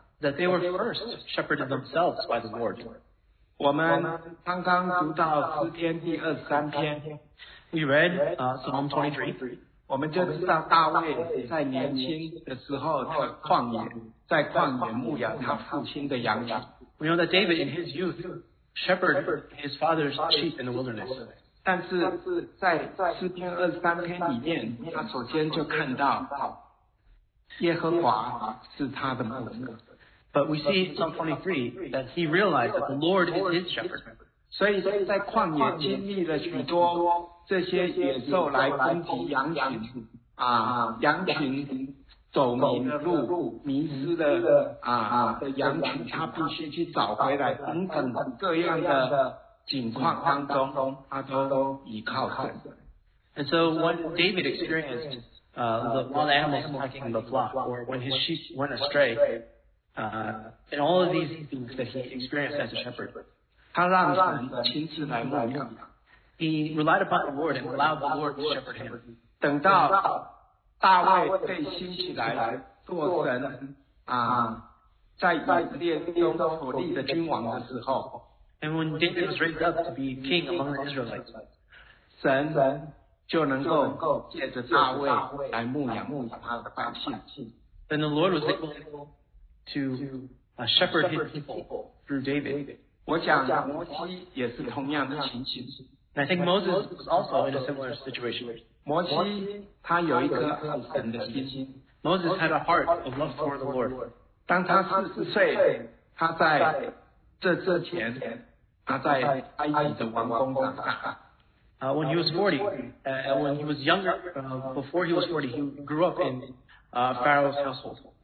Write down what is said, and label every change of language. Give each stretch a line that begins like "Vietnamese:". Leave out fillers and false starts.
English: ，that they were first shepherded themselves by the Lord。
Chinese: 我们刚刚读到诗篇第23篇
English: ，we read Psalm 23。
Chinese: 我们就知道大卫在年轻的时候，他在旷野牧养他父亲的羊群。
English: We know that David, in his youth, shepherded his father's sheep in the wilderness.
Chinese: 但是在诗篇二十三篇里面，他首先就看到耶和华是他的牧人。
English: But we see in Psalm 23 that he realized that the Lord is his shepherd.
Chinese: 所以在旷野经历了许多这些野兽来攻击羊群，羊群。走迷了路，迷失了的羊群，他必须去找回来。等等各样的境况当中，他都依靠神。
English: And so when David experienced the animals attacking the flock, or when his sheep went astray, and all of these things that he experienced as a shepherd,
Chinese: 他让神亲自来牧养。
English: He relied upon the Lord and allowed the Lord to shepherd him.
Chinese: 等到大卫被兴起来做神在以色列中所立的君王的时候,
English: and when David was raised up to be king among the Israelites,
Chinese: 神就能够借着大卫来牧养他的百姓,
English: then the Lord was able to shepherd his people through David.
Chinese: 我想摩西也是同样的情形。
English: I think Moses was also in a similar situation.
Chinese: 摩西他有一颗爱神的心心。
English: Moses had a heart of love for the Lord.
Chinese: 当他四岁，他在这之前，他在埃及的王宫长大。
English: When he was 40, when he was younger, before he was 40, he grew up in Pharaoh's household.